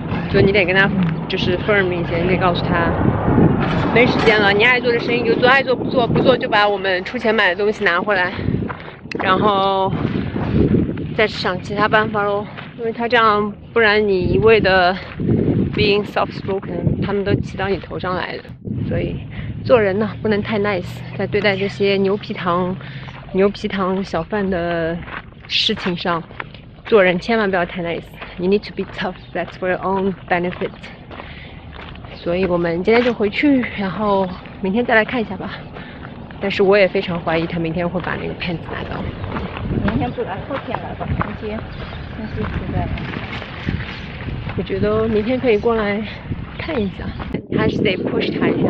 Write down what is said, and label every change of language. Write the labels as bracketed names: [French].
[Chinese] 就你得跟他就是 firm 一些，你得告诉他。没时间了，你爱做的生意就做，爱做不做，不做就把我们出钱买的东西拿回来，然后再想其他办法咯，因为他这样，不然你一味的 [English] being soft-spoken， [Chinese] 他们都骑到你头上来的。所以做人呢，不能太 nice， 在对待这些牛皮糖小贩的事情上，做人千万不要太 nice。 [English] You need to be tough, that's for your own benefit。 [Chinese] 所以我们今天就回去，然后明天再来看一下吧。但是我也非常怀疑他明天会把那个片子拿到。明天不来，后天来吧。星期四再来。我觉得明天可以过来看一下，还是得 push 他一下。